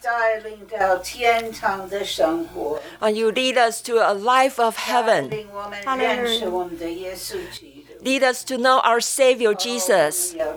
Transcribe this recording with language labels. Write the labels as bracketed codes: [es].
[zh] 带领到天堂的生活。 [en] And you lead us to a life of heaven. [zh] 带领我们认识我们的耶稣基督。 [en] Lead us to know our Savior, Jesus.